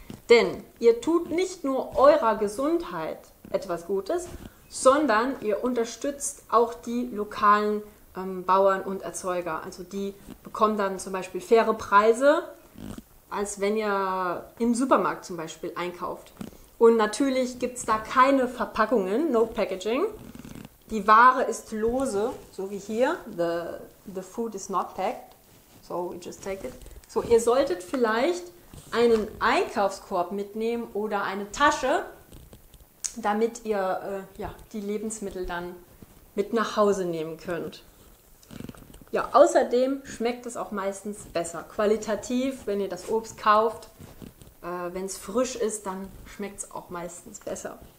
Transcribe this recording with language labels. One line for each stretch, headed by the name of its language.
German: Denn ihr tut nicht nur eurer Gesundheit etwas Gutes, sondern ihr unterstützt auch die lokalen Bauern und Erzeuger. Also die bekommen dann zum Beispiel faire Preise, als wenn ihr im Supermarkt zum Beispiel einkauft. Und natürlich gibt es da keine Verpackungen,
English: no packaging.
German: Die Ware ist lose, so wie hier.
English: The food is not packed, so we just take it.
German: So, ihr solltet vielleicht einen Einkaufskorb mitnehmen oder eine Tasche, damit ihr die Lebensmittel dann mit nach Hause nehmen könnt. Ja, außerdem schmeckt es auch meistens besser. Qualitativ, wenn ihr das Obst kauft, wenn es frisch ist, dann schmeckt es auch meistens besser.